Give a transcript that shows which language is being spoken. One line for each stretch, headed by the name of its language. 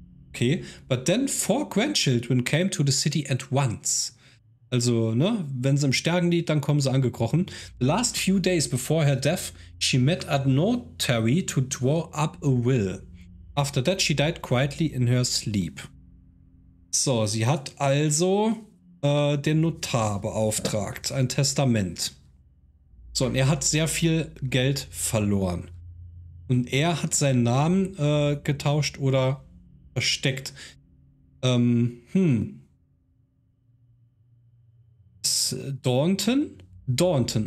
English: Okay, but then 4 grandchildren came to the city at once.
German: Also, ne, wenn sie im Sterben liegt, dann kommen sie angekrochen.
English: The last few days before her death, she met a notary to draw up a will. After that, she died quietly in her sleep.
German: So, sie hat also den Notar beauftragt, ein Testament. So, und er hat sehr viel Geld verloren. Und er hat seinen Namen getauscht oder versteckt. Dorton? Dorton.